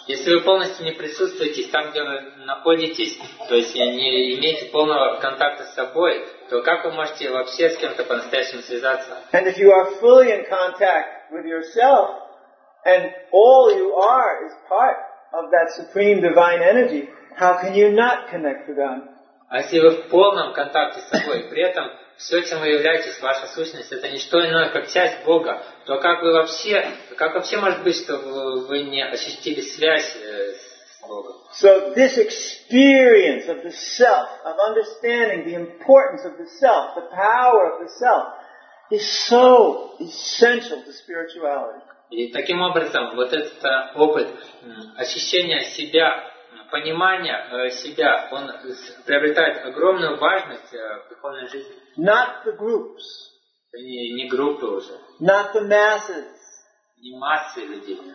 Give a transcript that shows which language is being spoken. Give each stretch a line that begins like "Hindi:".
Russian: Если вы полностью не присутствуете там, где вы находитесь, то есть не имеете полного контакта с собой, то как вы можете вообще с кем-то по-настоящему связаться?
English: And if you are fully in contact with yourself, and all you are is part of that supreme divine energy, how can you not connect to God?
Russian: А если вы в полном контакте с собой, при этом все, чем вы являетесь, ваша сущность, это не что иное, как часть Бога, то как вообще может быть, что вы не ощутили связь с Богом?
English: So this experience of the self, of understanding the importance of the self, the power of the self, is so essential to spirituality.
Russian: И таким образом, вот этот опыт ощущения себя, понимания себя, он приобретает огромную важность в духовной жизни.
English: Not the groups.
Russian: Не группы уже.
English: Not the masses.
Russian: Не массы людей.